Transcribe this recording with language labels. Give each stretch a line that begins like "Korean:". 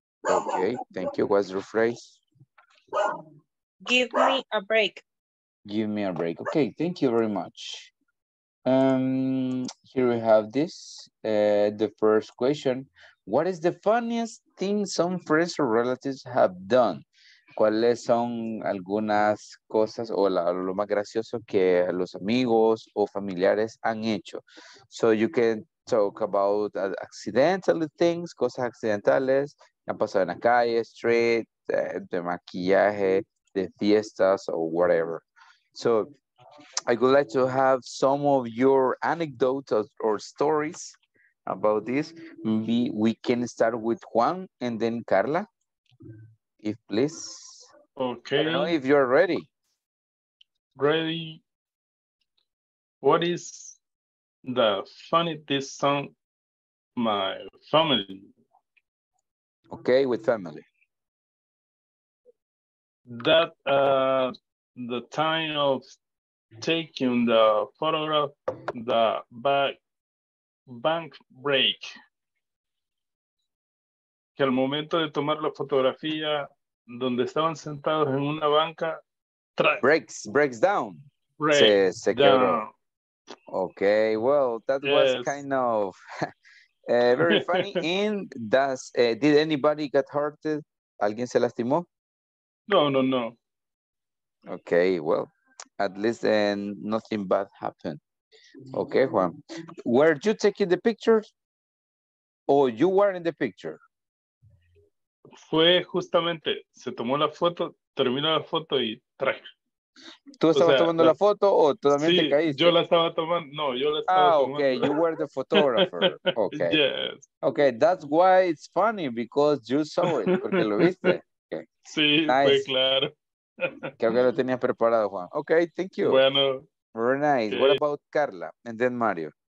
English: Okay, thank you. What's your phrase? Give me a break. Give me a break. Okay, thank you very much. Here we have this, the first question. What is the funniest thing some friends or relatives have done?
Spanish: ¿Cuáles son algunas cosas o lo más gracioso que los amigos o familiares han hecho?
English: So you can talk about accidental things,
Spanish: cosas accidentales, que han pasado en la calle, street, de maquillaje, de fiestas,
English: or whatever. So I would like to have some of your anecdotes or stories about this. Maybe we can start with Juan and then Carla, if please. Okay. I don't know if you're ready. Ready. What is the funniest song my family? Okay, with family. That the time of taking the photograph, the bank break.
Spanish: Que al momento de tomar la fotografía, donde estaban sentados en una banca,
English: breaks down.
Spanish: Se quebró.
English: Okay, well, that was kind of very funny. And does did anybody get hurt?
Spanish: ¿Alguien se lastimó?
English: No. Okay, well. At least nothing bad happened. Okay, Juan. Were you taking the pictures? Or you were in the picture?
Spanish: Fue justamente, se tomó la foto, terminó la foto y traje. ¿Tú estabas tomando la foto o tú también te caíste? Yo la estaba tomando.
English: Okay, you were the photographer. Okay. Yes. Okay, that's why it's funny, because you saw it,
Spanish: porque lo viste.
English: Okay.
Spanish: Sí, nice. Fue claro. Creo que lo tenías preparado, Juan.
English: Okay, thank you.
Spanish: Bueno.
English: Very nice. Okay. What about Carla? And then Mario.